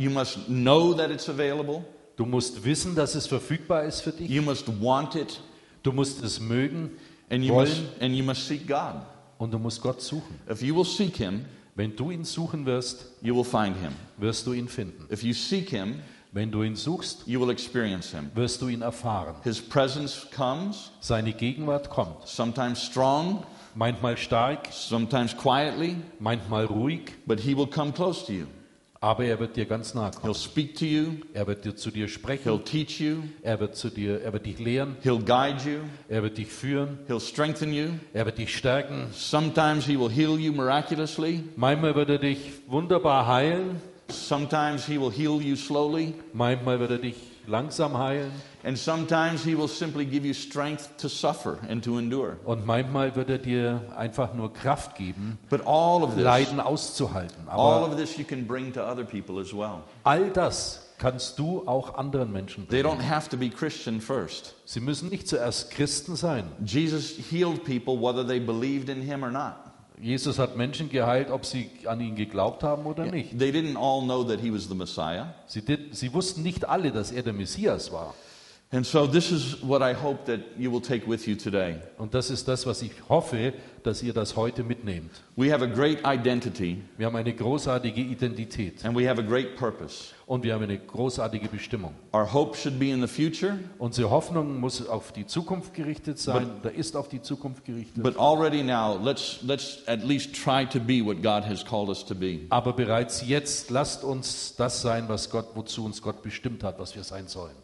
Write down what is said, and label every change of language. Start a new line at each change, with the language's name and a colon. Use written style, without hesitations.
English: You must know that it's available.
German: Du musst wissen, dass es verfügbar ist für dich.
English: You must want it.
German: Du musst es mögen.
English: And you must seek God.
German: Und du musst Gott suchen.
English: If you will seek him,
German: wenn du ihn suchen wirst,
English: you will find him.
German: Wirst du ihn finden.
English: If you seek him,
German: wenn du ihn suchst,
English: you will experience him.
German: Wirst du ihn erfahren.
English: His presence comes,
German: seine Gegenwart kommt.
English: Sometimes strong,
German: manchmal stark.
English: Sometimes quietly,
German: manchmal ruhig.
English: But he will come close to you.
German: Aber er wird dir ganz nahe kommen.
English: He'll speak to you.
German: Er wird dir zu dir sprechen.
English: He'll teach you.
German: Er wird dich lehren.
English: He'll guide you.
German: Er wird dich führen.
English: He'll strengthen you.
German: Er wird dich stärken.
English: Sometimes he will heal you miraculously.
German: Manchmal wird er dich wunderbar heilen.
English: Sometimes he will heal you slowly.
German: Manchmal wird er dich langsam heilen.
English: And sometimes he will simply give you strength to suffer and to endure.
German: Und manchmal wird er dir einfach nur Kraft geben,
English: but all of this,
German: Leiden auszuhalten.
English: Aber all of this you can bring to other people as well.
German: All das kannst du auch anderen Menschen bringen.
English: They don't have to be Christian first.
German: Sie müssen nicht zuerst Christen sein.
English: Jesus healed people whether they believed in him or not.
German: Jesus hat Menschen geheilt, ob sie an ihn geglaubt haben oder nicht.
English: They didn't all know that he was the Messiah.
German: Sie wussten nicht alle, dass er der Messias war.
English: And so this is what I hope that you will take with you today.
German: Und das ist das, was ich hoffe, dass ihr das heute mitnehmt.
English: We have a great identity.
German: Wir haben eine großartige Identität.
English: And we have a great purpose.
German: Und wir haben eine großartige Bestimmung.
English: Our hope should be in the future.
German: Unsere Hoffnung muss auf die Zukunft gerichtet sein. Da ist auf die Zukunft gerichtet.
English: But already now, let's at least try to be what God has called us to be.
German: Aber bereits jetzt lasst uns das sein, was Gott wozu uns Gott bestimmt hat, was wir sein sollen.